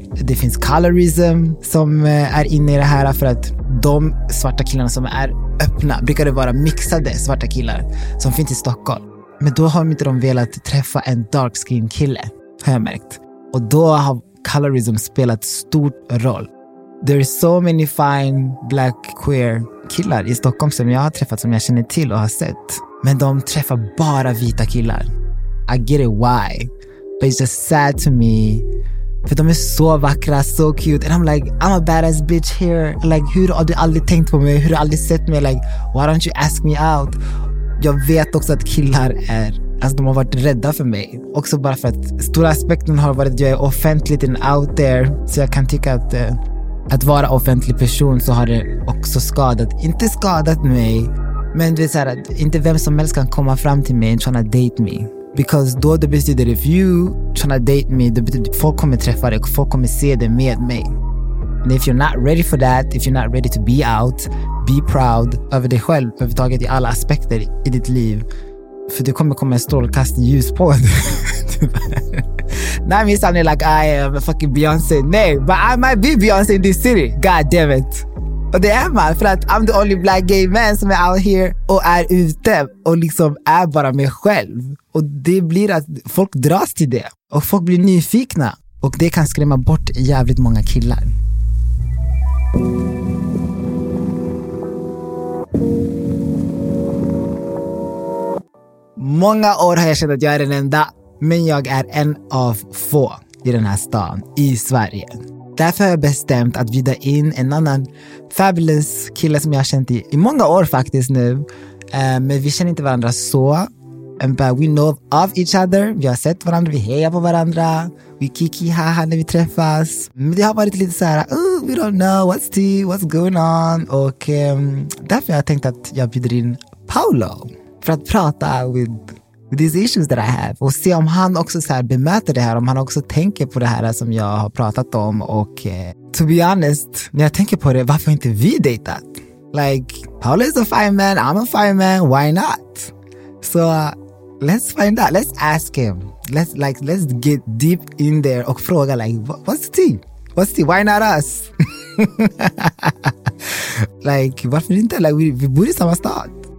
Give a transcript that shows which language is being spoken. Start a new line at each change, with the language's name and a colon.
Swedish: Det finns colorism som är inne i det här. För att de svarta killarna som är öppna brukar det vara mixade svarta killar som finns i Stockholm. Men då har inte de velat träffa en dark skin kille, har jag märkt. Och då har colorism spelat stor roll.
English: There are so many fine black queer
Swedish: killar i Stockholm som jag har träffat, som jag känner till och har sett. Men de träffar bara vita killar.
English: I get it why, but it's just sad to me.
Swedish: För de är så vackra, så
English: cute. And I'm like, I'm a badass bitch here.
Swedish: Like, hur har du aldrig tänkt på mig? Hur har du aldrig sett mig?
English: Like, why don't you ask me out?
Swedish: Jag vet också att killar är, alltså de har varit rädda för mig. Också bara för att stora aspekten har varit att jag är offentligt
English: and out there.
Swedish: Så jag kan tycka att att vara offentlig person så har det också skadat. Inte skadat mig, men det är så här att inte vem som helst kan komma fram till mig
English: and try to date me.
Swedish: Because då det betyder
English: if you trying to date me,
Swedish: det betyder folk kommer träffa dig och folk kommer se det med mig.
English: And if you're not ready for that, if you're not ready to be out, be proud
Swedish: över dig själv överhuvudtaget i alla aspekter i ditt liv. För det kommer komma en strålkastning ljus på dig.
English: Now I'm sounding like I am a fucking Beyoncé.
Swedish: Nej,
English: but I might be Beyoncé in this city. God damn it.
Swedish: Och det är man, för att
English: I'm the only black gay man
Swedish: som är
English: out here
Swedish: och är ute och liksom är bara mig själv. Och det blir att folk dras till det och folk blir nyfikna och det kan skrämma bort jävligt många killar. Många år har jag känt att jag är den enda, men jag är en av få i den här stan i Sverige. Därför har jag bestämt att bjuda in en annan fabulous kille som jag har känt i många år faktiskt nu. Men vi känner inte varandra så.
English: But we know of each other.
Swedish: Vi har sett varandra, vi hejar på varandra. Vi kiki haha när vi träffas. Men det har varit lite så här,
English: we don't know what's tea, what's going on.
Swedish: Och därför har jag tänkt att jag bjuder in Paolo. För att prata
English: with these issues that I have.
Swedish: Och se om han också så här bemöter det här. Om han också tänker på det här som jag har pratat om. Och
English: to be honest,
Swedish: när jag tänker på det, varför inte vi dejtat?
English: Like, Paolo is a fine man, I'm a fine man, why not? So, let's find out, let's ask him. Let's get deep in there
Swedish: och fråga
English: like, what's the tea? What's the tea? Why not us?
Swedish: Like, varför inte? Like, vi bor i samma stad.